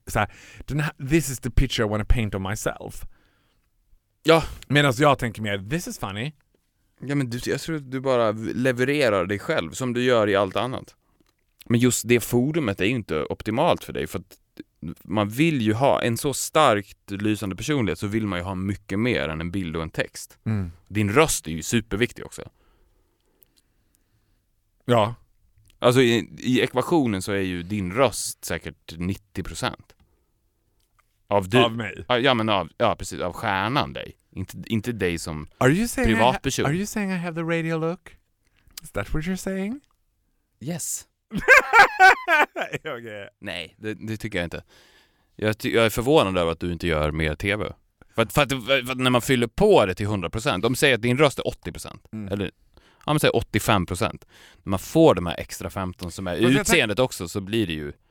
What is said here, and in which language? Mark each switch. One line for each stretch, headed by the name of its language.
Swedish: Så här,
English: this is the picture I want to paint of myself.
Swedish: Ja. Medan jag tänker mer,
English: this is funny.
Swedish: Ja, men jag tror att du bara levererar dig själv som du gör i allt annat. Men just det forumet är ju inte optimalt för dig, för att man vill ju ha en så starkt lysande personlighet, så vill man ju ha mycket mer än en bild och en text. Mm. Din röst är ju superviktig också. Ja. Alltså i ekvationen så är ju din röst säkert 90% av du. Av mig. Ja, men precis, av stjärnan dig. Inte dig som privatperson.
English: Are you saying I have the radio look? Is that what you're saying? Yes. Okay.
Swedish: Nej, det tycker jag inte. Jag är förvånad över att du inte gör mer tv. För att när man fyller på det till 100%, de säger att din röst är 80%. Mm. Eller, ja, man säger 85%. När man får de här extra 15 som är utseendet också, så blir det ju...